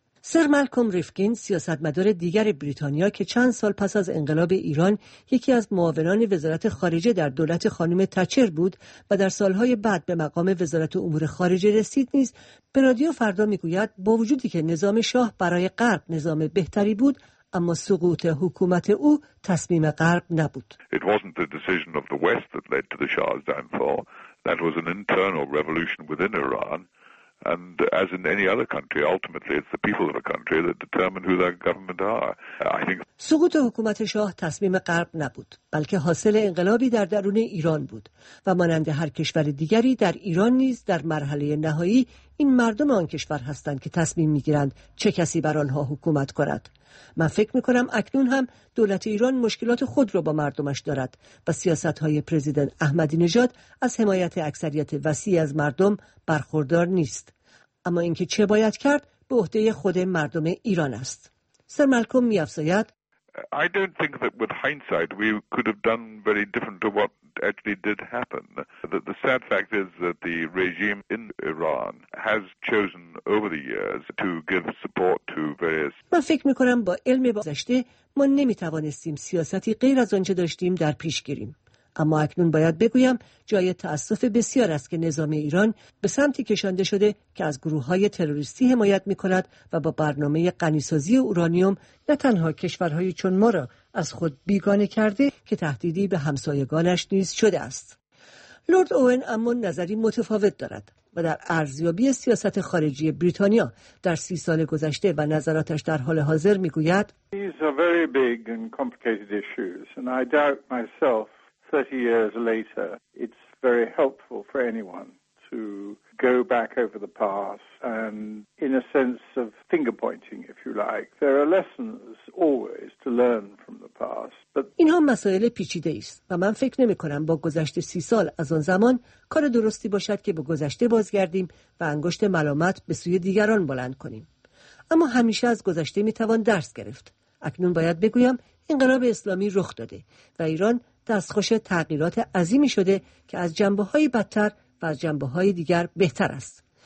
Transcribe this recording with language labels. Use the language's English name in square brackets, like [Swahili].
[Persian] سر مالکوم ریفکین، سیاستمدار دیگر بریتانیا که چند سال پس از انقلاب ایران یکی از معاونان وزارت خارجه در دولت خانم تچر بود و در سالهای بعد به مقام وزارت امور خارجه رسید، نیز به رادیو فردا میگوید با وجودی که نظام شاه برای غرب نظام بهتری بود، اما سقوط حکومت او تصمیم غرب نبود. [English] It wasn't the decision of the West that led to the Shah's downfall. That was an internal revolution within Iran. And as in any other country, ultimately it's the people of a country that determine who their government are. I think [Persian] سقوط حکومت شاه تصمیم غرب نبود، بلکه حاصل انقلابی در درون ایران بود و مانند هر کشور دیگری در ایران نیز در مرحله نهایی این مردم آن کشور هستند که تصمیم میگیرند چه کسی بر آنها حکومت کند. من فکر میکنم اکنون هم دولت ایران مشکلات خود را با مردمش دارد و سیاستهای پرزیدنت احمدی نژاد از حمایت اکثریت وسیعی از مردم برخوردار نیست. اما اینکه چه باید کرد به عهده خود مردم ایران است. سر مالکوم میافزاید: [English] I don't think that with hindsight we could have done very different to what actually did happen. The sad fact is that the regime in Iran has chosen over the years to give support to various... [Persian] من فکر میکنم با علم گذشته ما نمیتوانستیم سیاستی غیر از آنچه داشتیم در پیش گیریم. اما اکنون باید بگویم جای تأسف بسیار است که نظام ایران به سمتی کشانده شده که از گروه‌های تروریستی حمایت می‌کند و با برنامه غنی‌سازی اورانیوم نه تنها کشورهای چون ما را از خود بیگانه کرده که تهدیدی به همسایگانش نیز شده است. لرد اوئن اما نظری متفاوت دارد و در ارزیابی سیاست خارجی بریتانیا در 30 سال گذشته و نظراتش در حال حاضر می‌گوید: [English] These are very big and complicated issues and I doubt myself 30 years later, it's very helpful for anyone to go back over the past and in a sense of finger pointing, if you like. There are lessons always to learn from the past. But [Persian] اینها مسائل پیچیده است و من فکر نمی کنم با گذشت 30 سال از آن زمان کار درستی باشد که با گذشته بازگردیم و انگشت ملامت به سوی دیگران بلند کنیم. اما همیشه از گذشته می توان درس گرفت. اکنون باید بگویم انقلاب اسلامی رخ داده و ایران دستخوش تغییرات عظیمی شده که از جنبه‌های بدتر و از جنبه‌های دیگر بهتر است.